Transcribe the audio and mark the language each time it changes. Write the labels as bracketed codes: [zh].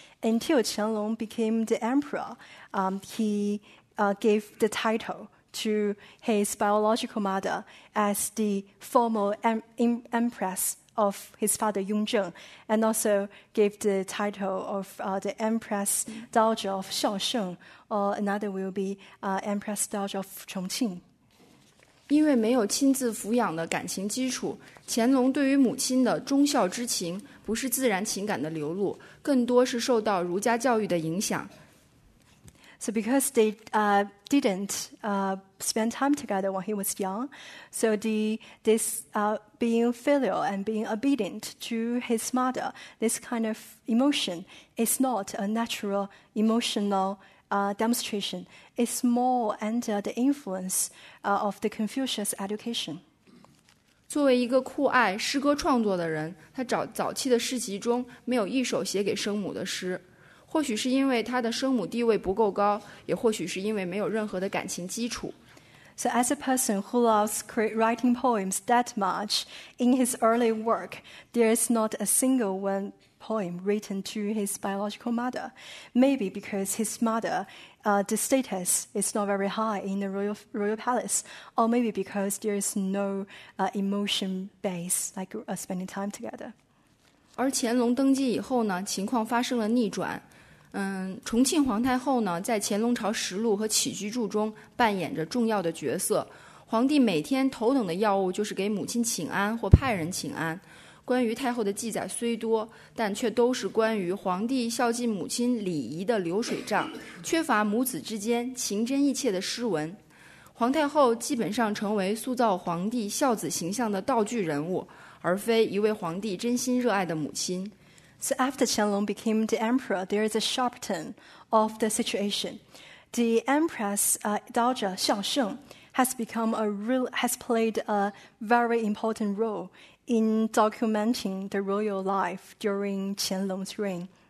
[en] Until Qianlong became the emperor, he gave the title to his biological mother as the formal empress of his father Yongzheng, and also gave the title of the Empress Dowager of Shaosheng, or another will be Empress Dowager of Chongqing. [zh] 因为没有亲自抚养的感情基础，乾隆对于母亲的忠孝之情不是自然情感的流露，更多是受到儒家教育的影响。 [en] So because they didn't spend time together when he was young, so this being filial and being obedient to his mother, this kind of emotion is not a natural emotional demonstration. It's more under the influence of the Confucius education. [zh] 作为一个酷爱诗歌创作的人，他早期的诗集中没有一首写给生母的诗。或许是因为他的生母地位不够高，也或许是因为没有任何的感情基础。 [en] So as a person who loves writing poems that much, in his early work, there is not a single one poem written to his biological mother. Maybe because his mother, the status is not very high in the royal palace, or maybe because there is no emotion base like spending time together. [zh] 而乾隆登基以后呢，情况发生了逆转。重庆皇太后呢，在《乾隆朝实录》和《起居注》中扮演着重要的角色。皇帝每天头等的要务就是给母亲请安或派人请安。关于太后的记载虽多，但却都是关于皇帝孝敬母亲礼仪的流水账，缺乏母子之间情真意切的诗文。皇太后基本上成为塑造皇帝孝子形象的道具人物，而非一位皇帝真心热爱的母亲。 [en] So after Qianlong became the emperor, there is a sharp turn of the situation. The empress, Dowager Xiao Sheng, has played a very important role in documenting the royal life during Qianlong's reign.